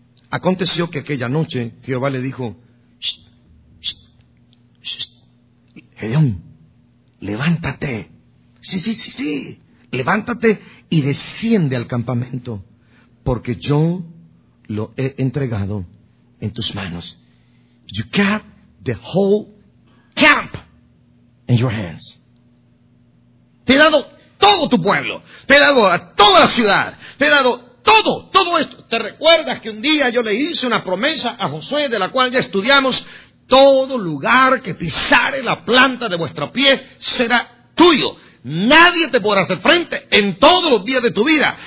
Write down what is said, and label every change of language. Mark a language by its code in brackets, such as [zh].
[es] Aconteció que aquella noche Jehová le dijo: Gedeón, levántate. Sí. Levántate y desciende al campamento, porque yo lo he entregado en tus manos. [en] You got the whole camp in your hands. [es] Te he dado todo tu pueblo. Te he dado a toda la ciudad. Te he dado todo, todo esto. ¿Te recuerdas que un día yo le hice una promesa a Josué, de la cual ya estudiamos? Todo lugar que pisare la planta de vuestro pie será tuyo. Nadie te podrá hacer frente en todos los días de tu vida.